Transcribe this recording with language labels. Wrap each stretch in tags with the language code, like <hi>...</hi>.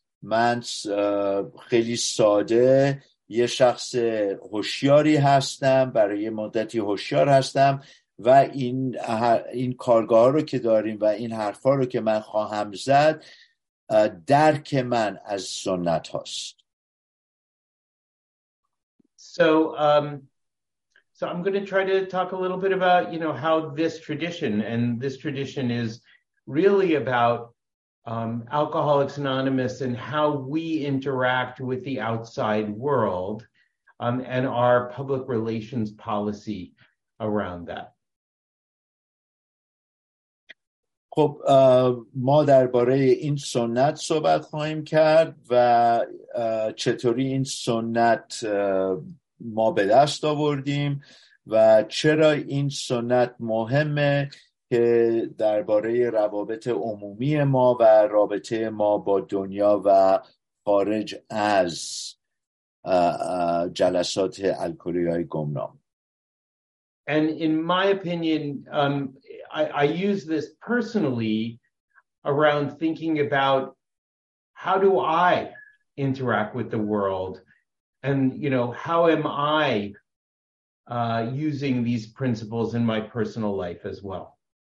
<fa>من خیلی ساده یه شخص هوشیاری هستم، برای مدتی هوشیار هستم و این کارگاه رو که داریم و این حرفا رو که من خواهم زد، درک من از سنت هاست.</fa> <en>So I'm going to try to talk a little bit about, you know, how this tradition, and this tradition is really about Alcoholics Anonymous and how we interact with the outside world and our public relations policy around that.</en> <fa>خب ما درباره این سنت صحبت خواهیم کرد و چطوری این سنت ما به دست آوردیم و چرا این سنت مهمه که درباره روابط عمومی ما و رابطه ما با دنیا و خارج از جلسات الکلی‌های گمنام.</fa> <en>And in my opinion, I use this personally around thinking about how do I interact with the world, and you know, how am I using these principles in my personal life as well.</en>